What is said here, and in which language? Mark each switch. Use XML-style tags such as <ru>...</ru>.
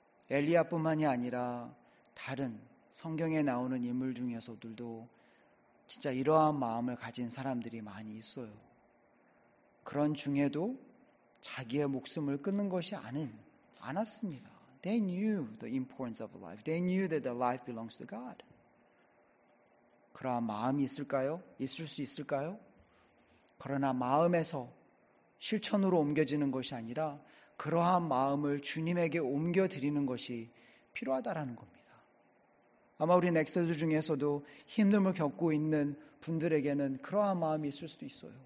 <ko>엘리야뿐만이 아니라 다른 성경에 나오는 인물 중에서들도 진짜 이러한 마음을 가진 사람들이 많이 있어요. 그런 중에도 자기의 목숨을 끊는 것이 않았습니다.</ko> <en>They knew the importance of life. They knew that the life belongs to God.</en> <ko>그러한 마음이 있을까요? 있을 수 있을까요? 그러나 마음에서 실천으로 옮겨지는 것이 아니라 그러한 마음을 주님에게 옮겨드리는 것이 필요하다라는 겁니다. 아마 우리 넥스트들 중에서도 힘듦을 겪고 있는 분들에게는 그러한 마음이 있을 수도 있어요.</ko>